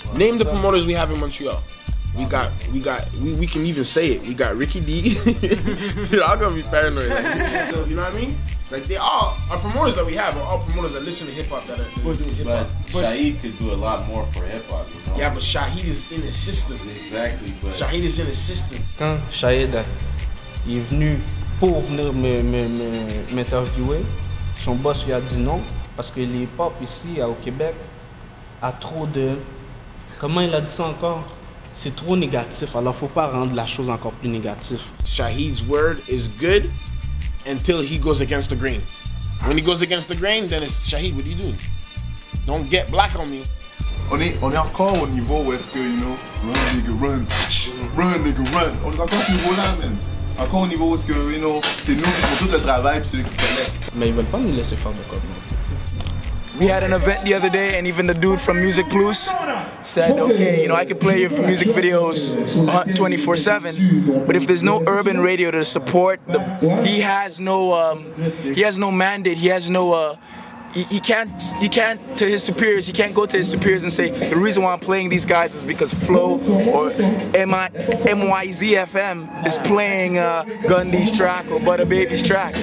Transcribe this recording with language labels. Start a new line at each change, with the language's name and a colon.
English: Name the promoters we have in Montreal. We can even say it. We got Ricky D. Y'all gonna be paranoid. You know what I mean? Like, they all, our promoters that we have are all promoters that listen to hip hop that are doing hip hop. But Shahid could do a lot more for hip hop, you know? Yeah, but Shahid is in the system. Exactly, but. Shahid is in the system.
French: Quand Shahid est venu pour venir m'interviewer, son boss lui a dit non, parce que l'hip hop ici, au Québec, a trop de. Comment il a dit ça encore? C'est trop négatif, alors faut pas rendre la chose encore plus négative.
English: Shahid's word is good until he goes against the grain. When he goes against the grain, then it's Shahid, what are you doing? Don't get black on me.
French: On est encore au niveau où est-ce que,
English: you know, run nigga run,
French: run nigga run. On est encore au niveau là, man. Encore au niveau où est-ce que,
English: you know,
French: c'est nous qui font tout le travail puis celui qui connaît. Mais ils veulent pas nous laisser faire de quoi, non?
English: We had an event the other day, and even the dude from Music Plus said, okay, you know, I could play your music videos 24/7, but if there's no urban radio to support, he has no mandate, he can't, to his superiors, he can't go to his superiors and say, the reason why I'm playing these guys is because Flo or MYZFM is playing Gundy's track or Butter Baby's track.